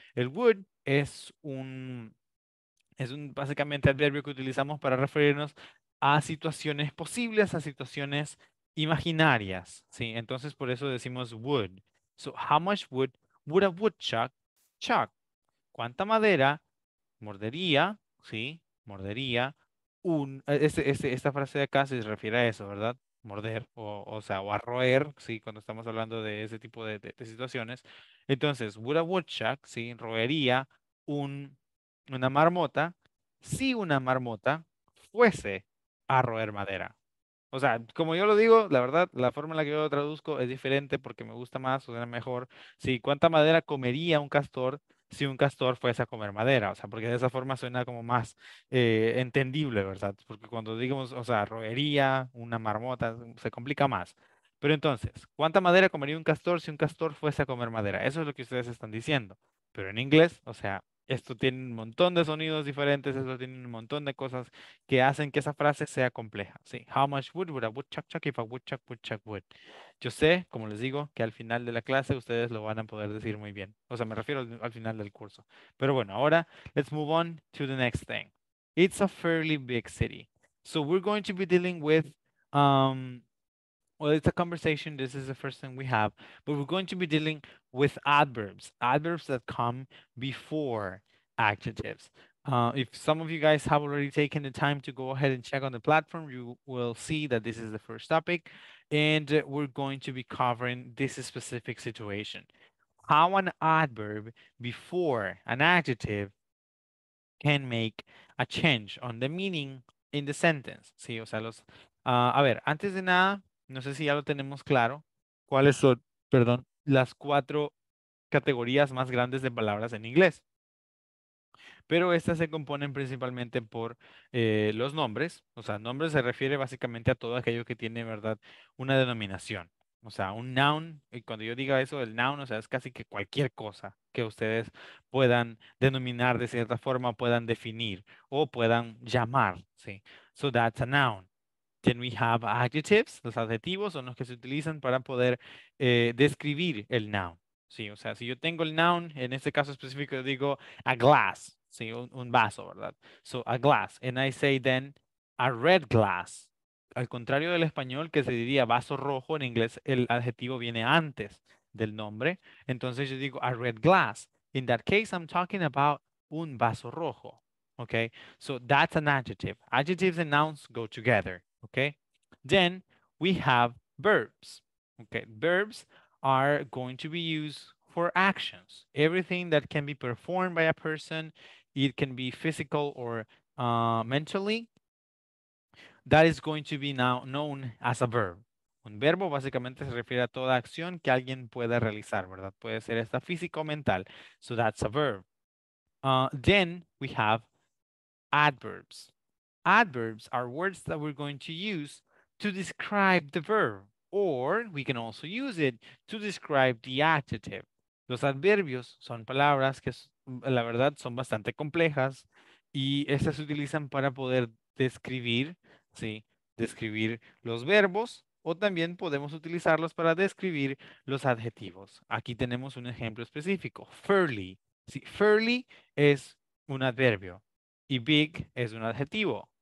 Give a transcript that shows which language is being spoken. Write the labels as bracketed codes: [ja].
[es] El wood es un básicamente adverbio que utilizamos para referirnos a situaciones posibles, a situaciones imaginarias, ¿sí? Entonces por eso decimos wood. [en] So how much wood would a woodchuck chuck? [es] ¿Cuánta madera mordería, sí? Mordería un esta frase de acá se refiere a eso, ¿verdad? Morder, o sea, o arroer, ¿sí? Cuando estamos hablando de ese tipo de situaciones. Entonces, [en] would a woodchuck, [es] ¿sí? Roería una marmota si una marmota fuese a roer madera. O sea, como yo lo digo, la verdad, la forma en la que yo lo traduzco es diferente porque me gusta más, o sea, mejor. ¿Sí? ¿Cuánta madera comería un castor si un castor fuese a comer madera? O sea, porque de esa forma suena como más entendible, ¿verdad? Porque cuando digamos, o sea, roería una marmota, se complica más. Pero entonces, ¿cuánta madera comería un castor si un castor fuese a comer madera? Eso es lo que ustedes están diciendo. Pero en inglés, o sea, esto tiene un montón de sonidos diferentes, esto tiene un montón de cosas que hacen que esa frase sea compleja. ¿Sí? [en] How much wood would a woodchuck chuck if a woodchuck woodchuck wood? [es] Yo sé, como les digo, que al final de la clase ustedes lo van a poder decir muy bien. O sea, me refiero al final del curso. Pero bueno, ahora, [en] let's move on to the next thing. It's a fairly big city. So we're going to be dealing with, well, it's a conversation. This is the first thing we have. But we're going to be dealing with adverbs. Adverbs that come before adjectives. If some of you guys have already taken the time to go ahead and check on the platform, you will see that this is the first topic. And we're going to be covering this specific situation. How an adverb before an adjective can make a change on the meaning in the sentence. [es] Sí, o sea, antes de nada, no sé si ya lo tenemos claro, cuáles son, perdón, las cuatro categorías más grandes de palabras en inglés. Pero estas se componen principalmente por los nombres. O sea, nombre se refiere básicamente a todo aquello que tiene, ¿verdad?, una denominación. O sea, un noun, y cuando yo diga eso, el noun, o sea, es casi que cualquier cosa que ustedes puedan denominar de cierta forma, puedan definir o puedan llamar, ¿sí? [en] So that's a noun. Then we have adjectives, [es] los adjetivos son los que se utilizan para poder describir el noun. Sí, o sea, si yo tengo el noun, en este caso específico digo a glass, sí, un vaso, ¿verdad? [en] So a glass, and I say then a red glass. [es] Al contrario del español que se diría vaso rojo, en inglés el adjetivo viene antes del nombre. Entonces yo digo a red glass. [en] In that case, I'm talking about [es] un vaso rojo, [en] okay? So that's an adjective. Adjectives and nouns go together. Okay, then we have verbs. Okay, verbs are going to be used for actions. Everything that can be performed by a person, it can be physical or mentally, that is going to be now known as a verb. [es] Un verbo básicamente se refiere a toda acción que alguien pueda realizar, ¿verdad? Puede ser esta físico o mental. [en] So that's a verb. Then we have adverbs. Adverbs are words that we're going to use to describe the verb, or we can also use it to describe the adjective. [es] Los adverbios son palabras que, la verdad, son bastante complejas y estas se utilizan para poder describir, ¿sí? Describir los verbos, o también podemos utilizarlos para describir los adjetivos. Aquí tenemos un ejemplo específico, fairly. Sí, fairly es un adverbio y big es un adjetivo.